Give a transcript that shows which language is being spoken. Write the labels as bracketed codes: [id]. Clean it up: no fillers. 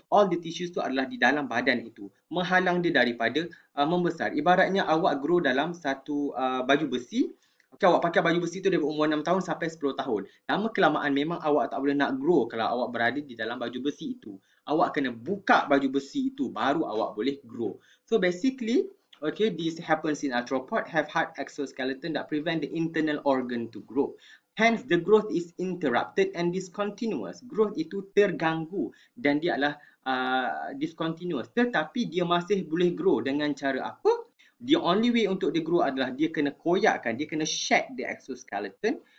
[en] All the tissues [ms] tu adalah di dalam badan itu. Menghalang dia daripada membesar. Ibaratnya awak grow dalam satu baju besi. Okay, awak pakai baju besi tu dari umur 6 tahun sampai 10 tahun. Lama kelamaan memang awak tak boleh nak grow kalau awak berada di dalam baju besi itu. Awak kena buka baju besi itu baru awak boleh grow. [en] So basically, okay, this happens in arthropod, have hard exoskeleton that prevent the internal organ to grow. Hence, the growth is interrupted and discontinuous. [ms] Growth itu terganggu dan dia adalah discontinuous. Tetapi dia masih boleh grow dengan cara apa? [en] The only way [ms] untuk dia grow adalah dia kena koyakkan, dia kena [en] shed the exoskeleton.